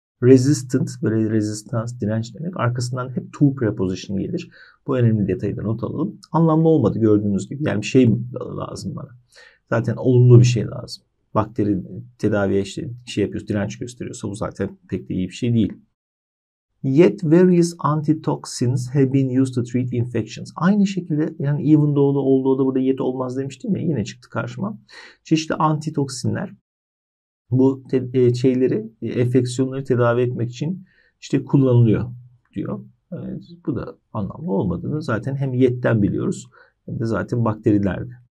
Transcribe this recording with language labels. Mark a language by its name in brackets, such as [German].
[Turkish] Resistant, böyle rezistans, direnç demek. Arkasından hep to preposition gelir. Bu önemli detayı da not alalım. Anlamlı olmadı gördüğünüz gibi. Yani bir şey lazım bana. Zaten olumlu bir şey lazım. Bakteri tedaviye işte şey yapıyoruz, direnç gösteriyorsa bu zaten pek de iyi bir şey değil. [English] Yet various antitoxins have been used to treat infections. [Turkish] Aynı şekilde yani even though'da olduğu da burada yet olmaz demiştim ya yine çıktı karşıma. Çeşitli antitoksinler bu şeyleri enfeksiyonları tedavi etmek için işte kullanılıyor diyor. Evet, bu da anlamlı olmadığını zaten hem yetten biliyoruz hem de zaten bakterilerde.